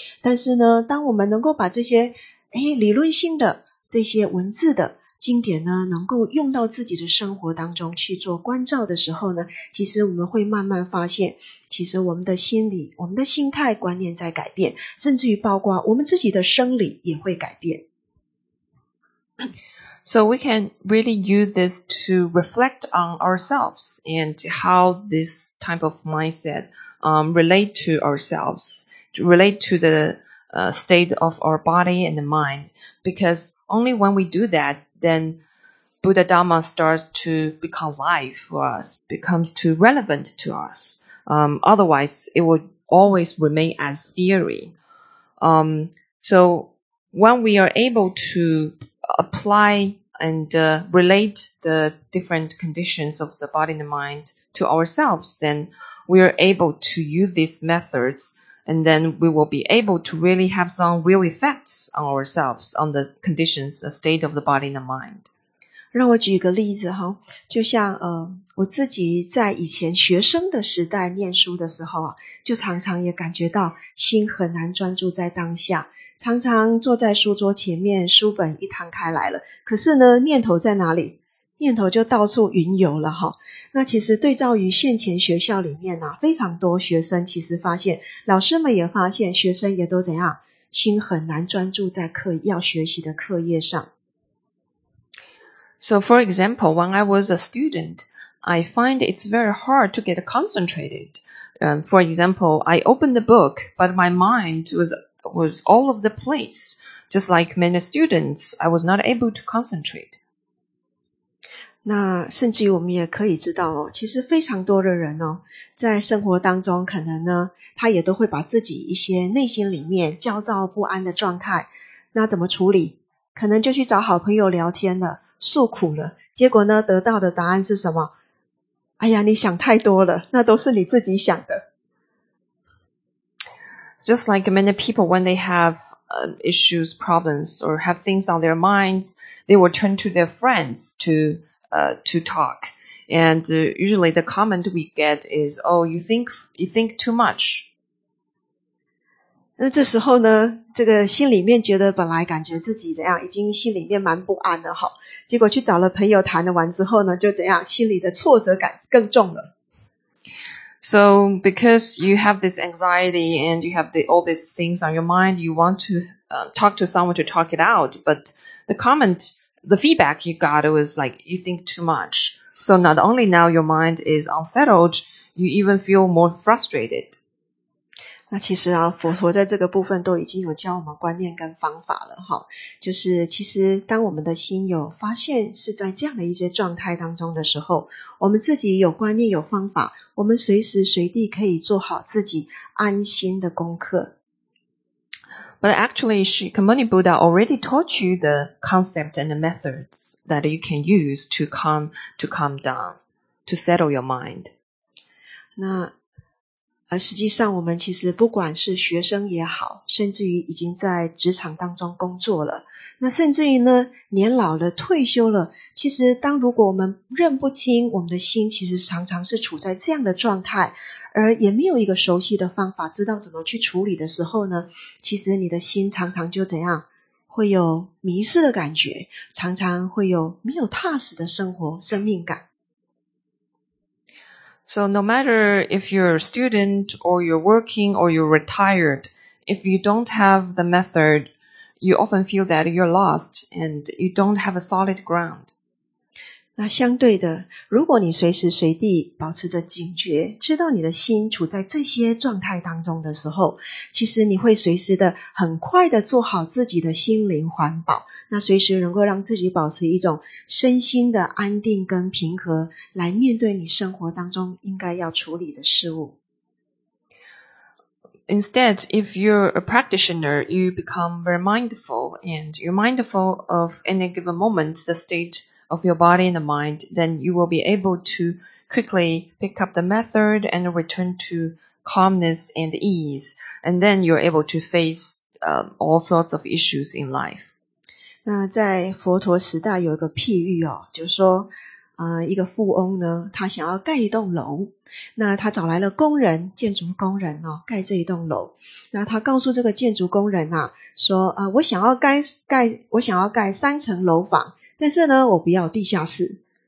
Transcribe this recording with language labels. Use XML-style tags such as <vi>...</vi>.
<zh>但是呢，当我们能够把这些理论性的这些文字的经典呢，能够用到自己的生活当中去做关照的时候呢，其实我们会慢慢发现，其实我们的心理、我们的心态观念在改变，甚至于包括我们自己的生理也会改变。</zh> <en>So we can really use this to reflect on ourselves and how this type of mindset relate to ourselves, relate to the state of our body and the mind, because only when we do that, then Buddha Dhamma starts to become alive for us, becomes too relevant to us. Otherwise, it would always remain as theory. So when we are able to apply and relate the different conditions of the body and the mind to ourselves, then we are able to use these methods And then we will be able to really have some real effects on ourselves, on the conditions, the state of the body and the mind.</en> <zh>让我举一个例子哈，就像我自己在以前学生的时代念书的时候啊，就常常也感觉到心很难专注在当下，常常坐在书桌前面，书本一摊开来了，可是呢，念头在哪里？念头就到处云游了哈。那其实对照于现前学校里面啊，非常多学生其实发现，老师们也发现，学生也都怎样，心很难专注在要学习的课业上。</zh> <en>So for example, when I was a student, I find it's very hard to get concentrated. For example, I opened the book, but my mind was all over the place. Just like many students, I was not able to concentrate.</en> <zh>那甚至于我们也可以知道哦，其实非常多的人哦，在生活当中可能呢，他也都会把自己一些内心里面焦躁不安的状态，那怎么处理？可能就去找好朋友聊天了。诉苦了，结果呢？得到的答案是什么？哎呀，你想太多了，那都是你自己想的。</zh> <en>Just like many people, when they have issues, problems, or have things on their minds, they will turn to their friends to talk. And usually, the comment we get is, "Oh, you think too much."</en> <zh>那这时候呢？这个心里面觉得本来感觉自己怎样，已经心里面蛮不安的哈。结果去找了朋友谈了完之后呢，就怎样，心里的挫折感更重了。</zh> <en>So because you have this anxiety and you have all these things on your mind, you want to talk to someone to talk it out. But the feedback you got was like you think too much. So not only now your mind is unsettled, you even feel more frustrated.</en> <zh>那其实啊，佛陀在这个部分都已经有教我们观念跟方法了哈。就是其实当我们的心有发现是在这样的一些状态当中的时候，我们自己有观念有方法，我们随时随地可以做好自己安心的功课。</zh> <en>But actually, Shakyamuni Buddha already taught you the concept and the methods that you can use to calm down, to settle your mind.</en> <zh>那实际上我们其实不管是学生也好，甚至于已经在职场当中工作了，那甚至于呢年老了退休了，其实当如果我们认不清我们的心其实常常是处在这样的状态，而也没有一个熟悉的方法知道怎么去处理的时候呢，其实你的心常常就怎样，会有迷失的感觉，常常会有没有踏实的生活生命感。</zh> <en>So no matter if you're a student or you're working or you're retired, if you don't have the method, you often feel that you're lost and you don't have a solid ground.</en> <zh>那相对的，如果你随时随地保持着警觉，知道你的心处在这些状态当中的时候，其实你会随时的很快的做好自己的心灵环保。那随时能够让自己保持一种身心的安定跟平和，来面对你生活当中应该要处理的事物。</zh> <en>Instead, if you're a practitioner, you become very mindful, and you're mindful of any given moment, the state of your body and the mind, then you will be able to quickly pick up the method and return to calmness and ease, and then you're able to face all sorts of issues in life.</en> <zh>那在佛陀时代有一个譬喻哦，就是说一个富翁呢，他想要盖一栋楼，那他找来了工人，建筑工人哦，盖这一栋楼。那他告诉这个建筑工人啊，说我想要盖三层楼房，但是呢我不要地下室。</zh>